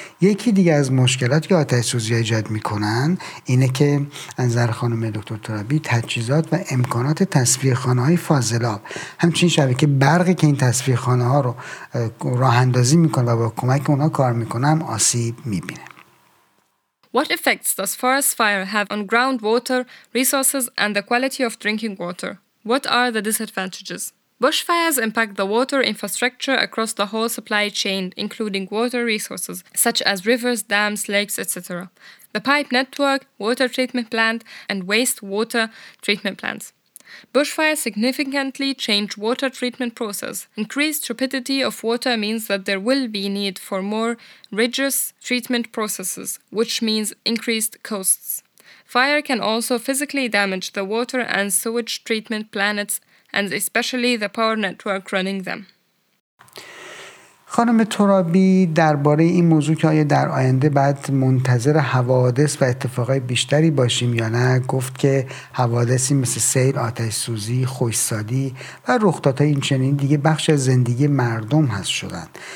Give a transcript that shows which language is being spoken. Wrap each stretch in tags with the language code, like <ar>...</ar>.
<fa>یکی دیگه از مشکلاتی که آتش سوزی ایجاد میکنن اینه که انظر خانم دکتر ترابی تجهیزات و امکانات تصفیه خانه های فاضلاب همچنین شبکه برقی که این تصفیه خانه ها رو راه اندازی میکنه و با کمک اونها کار میکنن آسیب میبینه.</fa> <en>What effects does forest fire have on groundwater resources and the quality of drinking water? What are the disadvantages? Bushfires impact the water infrastructure across the whole supply chain, including water resources such as rivers, dams, lakes, etc. The pipe network, water treatment plant, and wastewater treatment plants. Bushfires significantly change water treatment process. Increased rapidity of water means that there will be need for more rigorous treatment processes, which means increased costs. Fire can also physically damage the water and sewage treatment plants and especially the power network running them.</en> <fa>خانم ترابی درباره این موضوع که آیا در آینده بعد منتظر حوادث و اتفاقای بیشتری باشیم یا نه گفت که حوادثی مثل سیل، آتش سوزی، خشکسالی و رخدادهای این چنین دیگه بخش از زندگی مردم هست شدن.</fa>